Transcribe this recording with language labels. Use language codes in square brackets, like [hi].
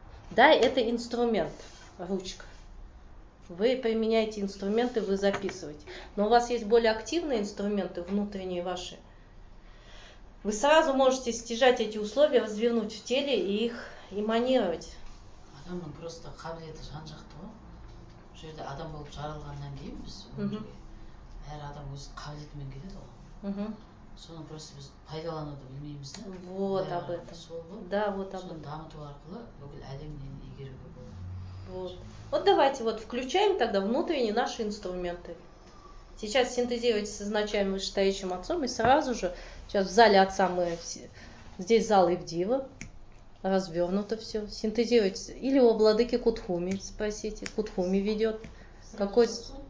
[ru] Да, это инструмент, ручка. Вы применяете инструменты, вы записываете. Но у вас есть более активные инструменты, внутренние ваши. Вы сразу можете стяжать эти условия, развернуть в теле и их эманировать. [kk] Адам просто қабілеті жан жақты. Жерде адам болып жаралғаннан кейін біз өмірге. Әр адам өз қабілетімен келеді ғой. Соны просто біз пайдалануды білмейміз. [ru] Вот об этом. [kk] Сол ғой. [ru] Да, вот об этом. [kk] Соны дамыту арқылы бүкіл әлемді игеруге болады. [ru] Вот. Вот давайте вот включаем тогда внутренние наши инструменты. Сейчас синтезируйте с изначальным вышестоящим отцом и сразу же, сейчас в зале отца мы все, здесь зал Ивдива, развернуто все, синтезируйте. Или у владыки Кутхуми спросите, Кутхуми ведет. Сразу какой отцом?